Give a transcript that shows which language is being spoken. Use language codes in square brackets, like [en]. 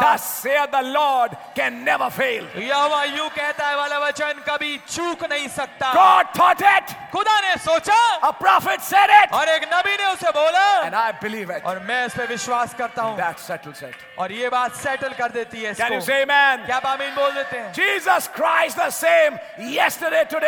[en] Thus saith the Lord can never fail. [hi] यहोवा यूं कहता है वाला वचन कभी चूक नहीं सकता. [en] God thought it. [hi] खुदा ने सोचा. [en] A prophet said it. [hi] और एक नबी ने उसे बोला. [en] And I believe it. [hi] और मैं इस पे विश्वास करता हूँ. [en] That settles it. [hi] और ये बात सेटल कर देती है. [en] Can you say amen? [hi] क्या आप आमीन बोल देते हैं? [en] Jesus Christ the same yesterday, today.